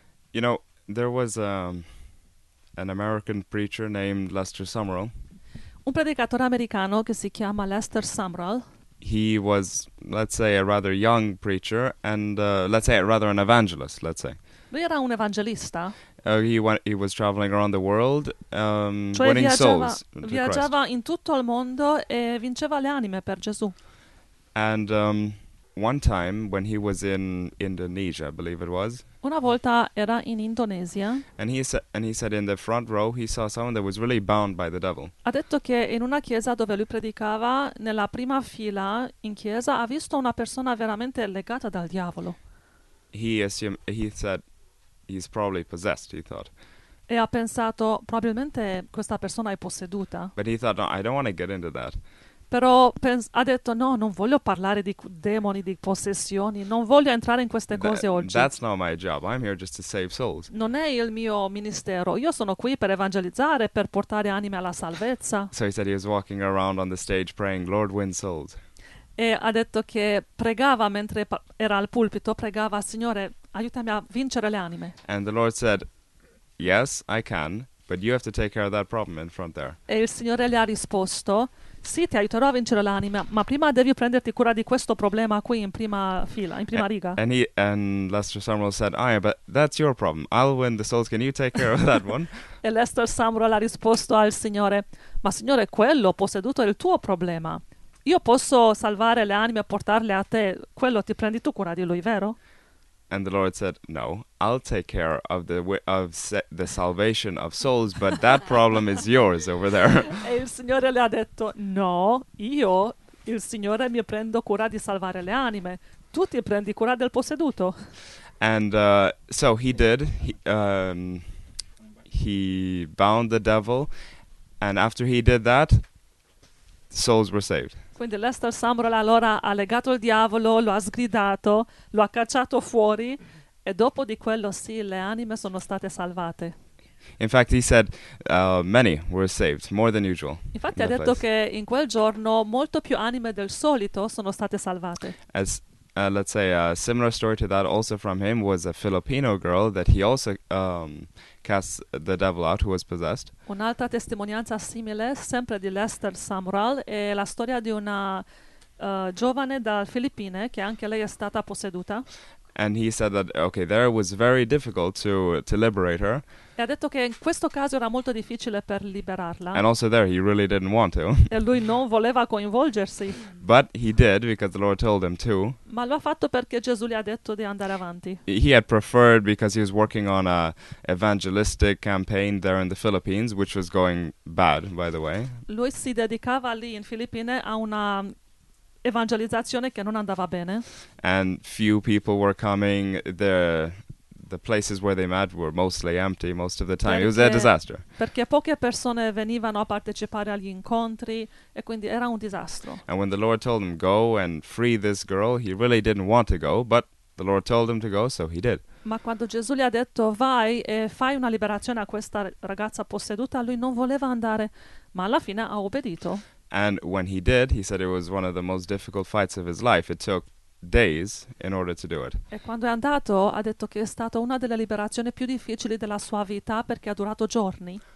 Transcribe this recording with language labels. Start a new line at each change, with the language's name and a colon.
English: You know, there was an American preacher named Lester Sumrall.
Italian: Un predicatore americano che si chiama Lester Sumrall.
English: He was, let's say, a rather young preacher and let's say an evangelist.
Italian: Lui era un evangelista.
English: He was traveling around the world winning souls.
Italian: Viaggiava in tutto il mondo e vinceva le anime per Gesù.
English: And one time when he was in Indonesia, I believe it was.
Italian: Una volta era in Indonesia.
English: And he said in the front row he saw someone that was really bound by the devil.
Italian: Ha detto che in una chiesa dove lui predicava, nella prima fila in chiesa, ha visto una persona veramente legata dal diavolo.
English: He said he's probably possessed, he thought.
Italian: E ha pensato, probabilmente questa persona è posseduta.
English: But he thought, no, I don't want to get into that.
Italian: Però ha detto, no, non voglio parlare di demoni, di possessioni, non voglio entrare in queste cose oggi.
English: That's not my job, I'm here just to save souls.
Italian: Non è il mio ministero, io sono qui per evangelizzare, per portare anime alla salvezza.
English: So he said he was walking around on the stage praying, Lord, win souls.
Italian: E ha detto che pregava mentre era al pulpito, pregava, Signore, aiutami a vincere le anime.
English: And the Lord said, yes, I can, but you have to take care of that problem in front there.
Italian: E il Signore le ha risposto, sì, ti aiuterò a vincere l'anima, ma prima devi prenderti cura di questo problema qui in prima fila, in prima riga.
English: And Lester Samuel said, ah, but that's your problem. I'll win the souls. Can you take care of that one?
Italian: E Lester Samuel ha risposto al Signore, ma Signore, quello posseduto è il tuo problema. Io posso salvare le anime e portarle a te. Quello ti prendi tu cura di lui, vero?
English: And the Lord said, no, I'll take care of the salvation of souls, but that problem is yours over there.
Italian: E il Signore le ha detto, no, io, il Signore, mi prendo cura di salvare le anime. Tu ti prendi cura del posseduto.
English: And so he did. He bound the devil. And after he did that, souls were saved.
Italian: Quindi Lester Samuel allora ha legato il diavolo, lo ha sgridato, lo ha cacciato fuori e dopo di quello sì, le anime sono state salvate.
English: In fact, he said many were saved, more than usual.
Italian: Infatti ha detto che in quel giorno molto più anime del solito sono state salvate.
English: As let's say a similar story to that also from him was a Filipino girl that he also cast the devil out, who was possessed.
Italian: Un'altra testimonianza simile, sempre di Lester Samral, è la storia di una giovane dal Filippine che anche lei è stata posseduta.
English: And he said that, okay, there was very difficult to liberate her.
Italian: E ha detto che in questo caso era molto difficile per liberarla.
English: And also there, he really didn't want to.
Italian: E lui non voleva coinvolgersi.
English: But he did, because the Lord told him to.
Italian: Ma lo ha fatto perché Gesù gli ha detto di andare avanti.
English: He had preferred, because he was working on a evangelistic campaign there in the Philippines, which was going bad, by the way.
Italian: Lui si dedicava lì in Filippine a una evangelizzazione che non andava bene.
English: And few people were coming there. The places where they met were mostly empty most of the time.
Italian: Perché,
English: it was a disaster.
Italian: Perché poche persone venivano a partecipare agli incontri e quindi era un disastro.
English: And when the Lord told him go and free this girl, he really didn't want to go, but the Lord told him to go, so he did.
Italian: Ma quando Gesù gli ha detto vai e fai una liberazione a questa ragazza posseduta, lui non voleva andare, ma alla fine ha obbedito.
English: And when he did, he said it was one of the most difficult fights of his life. It took days in order to do it.
Italian: E quando è andato, ha detto che è stata una delle liberazioni più difficili della sua vita perché ha durato giorni.